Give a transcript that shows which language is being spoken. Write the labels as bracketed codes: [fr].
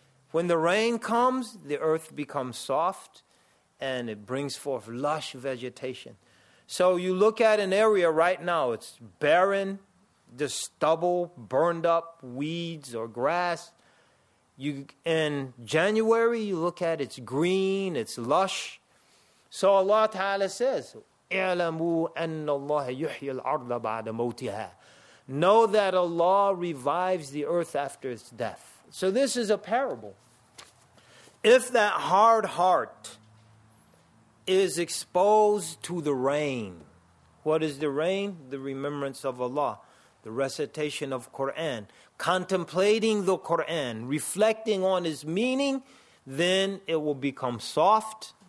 [en] When the rain comes, the earth becomes soft and it brings forth lush vegetation. So you look at an area right now, it's barren, just stubble, burned up weeds or grass. You, in January, you look at it, it's green, it's lush. [ar] So Allah Ta'ala says, اِعْلَمُوا أَنَّ اللَّهَ يُحْيِي الْأَرْضَ بَعْدَ مَوْتِهَا. [en] Know that Allah revives the earth after its death. So this is a parable. If that hard heart is exposed to the rain, what is the rain? The remembrance of Allah, the recitation of Quran, contemplating the Quran, reflecting on its meaning, then it will become soft,